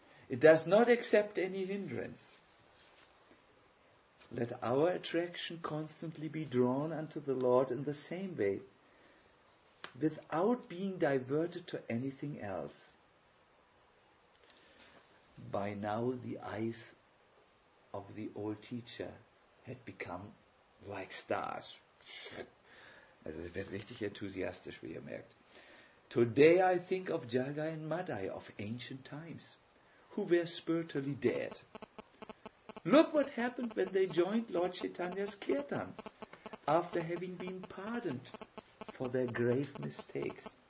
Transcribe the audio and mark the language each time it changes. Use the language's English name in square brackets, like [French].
[English] It does not accept any hindrance. Let our attraction constantly be drawn unto the Lord in the same way, without being diverted to anything else." By now the eyes of the old teacher had become like stars. [German] Also, es wird richtig enthusiastisch, wie ihr merkt. [English] "Today I think of Jagai and Madai of ancient times, who were spiritually dead. Look what happened when they joined Lord Chaitanya's kirtan after having been pardoned for their grave mistakes.